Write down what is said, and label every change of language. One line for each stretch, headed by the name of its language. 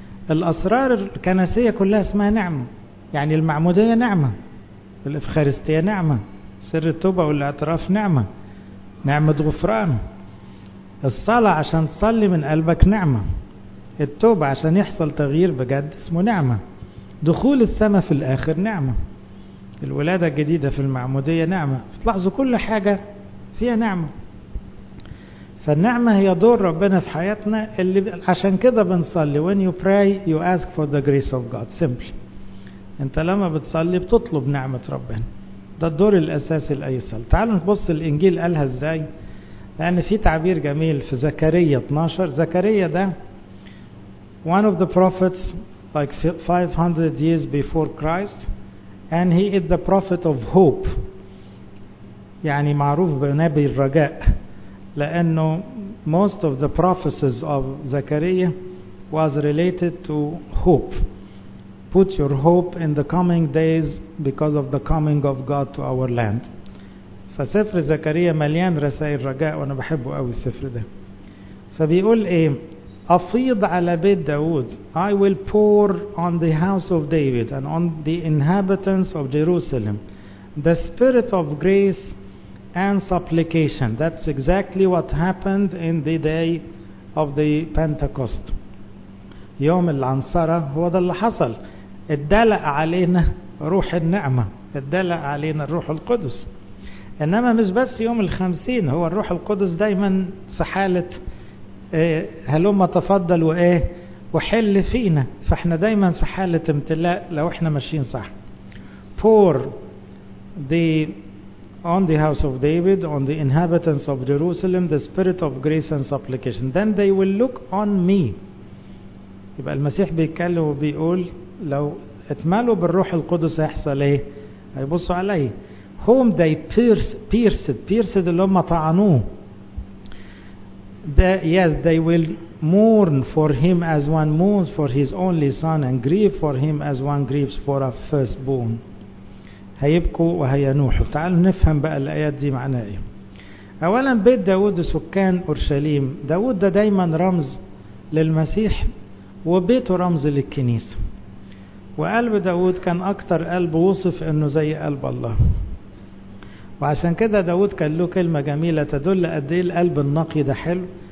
Arabic: الأسرار الكنسية كلها اسمها نعمة، يعني المعمودية نعمة، الإفخارستية نعمة، سر التوبة والاعتراف نعمة، نعمة غفران، الصلاة عشان تصلي من قلبك نعمة، التوبة عشان يحصل تغيير بجد اسمه نعمة، دخول السماء في الآخر نعمة، الولادة الجديدة في المعمودية نعمة. تلاحظوا كل حاجة فيها نعمة. فالنعمة هي دور ربنا في حياتنا، اللي عشان كده بنصلي.
English: When you pray you ask for the grace of God simply.
Arabic: انت لما بتصلي بتطلب نعمة ربنا، ده الدور الاساسي لأي صلاة. تعالوا نبص الانجيل قالها ازاي، لان في تعبير جميل في زكريا 12.
English: زكريا ده one of the prophets like 500 years before Christ, and he is the prophet of hope.
Arabic: يعني معروف بنبي الرجاء، لأنه
English: most of the prophecies of Zechariah was related to hope. Put your hope in the coming days because of the coming of God to our land.
Arabic: فسفر زكريا مليان رسائل رجاء، وأنا بحبه قوي السفر ده. فبيقول إيه؟ أفيض على بيت داود.
English: I will pour on the house of David and on the inhabitants of Jerusalem the spirit of grace and supplication. That's exactly what happened in the day of the Pentecost.
Arabic: يوم العنصرة هو ده اللي حصل. اتدلق علينا روح النعمة، اتدلق علينا الروح القدس. إنما مش بس يوم الخمسين، هو الروح القدس دايما في حالة هلما تفضل وإيه وحل فينا، فإحنا دايما في حالة امتلاء لو إحنا ماشيين صح.
English: Pour the on the house of David, on the inhabitants of Jerusalem, the spirit of grace and supplication. Then they will look on me.
Arabic: يبقى المسيح بيتكلم وبيقول لو اتملوا بالروح القدس هيحصل ايه؟ هيبصوا عليه.
English: Whom they pierced
Arabic: اللي هم طعنوه.
English: Yes, they will mourn for him as one mourns for his only son and grieve for him as one grieves for a firstborn.
Arabic: هيبكوا وهينوحوا. تعالوا نفهم بقى الآيات دي معناها ايه. اولا بيت داود وسكان اورشليم، داود ده دايما رمز للمسيح وبيته رمز للكنيسة، وقلب داود كان اكتر قلب وصف انه زي قلب الله، وعشان كده داود كان له كلمة جميلة تدل قد ايه القلب النقي ده حلو.